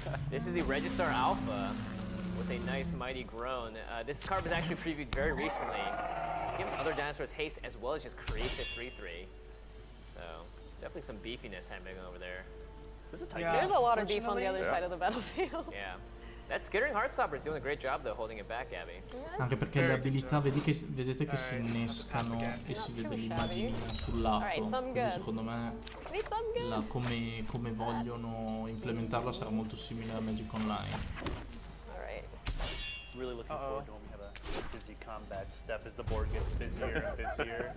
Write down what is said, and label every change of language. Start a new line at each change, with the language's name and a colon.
English: This is the Registrar Alpha with a nice mighty groan. This card was actually previewed very recently. It gives other dinosaurs haste as well as just creates a 3/3. So, definitely some beefiness happening over there. This is a tight game. There's a lot of beef on the other side of the battlefield. Yeah. That Skittering Heartstopper is doing a great job, though, holding it back, Gabby.
Italian: Anche perché le abilità, vedete che si innescano e si vede l'immagine sul lato. Quindi secondo me, come vogliono implementarla sarà molto simile a Magic Online.
English: All right. Really looking forward to when we have a busy combat step as the board gets busier and busier.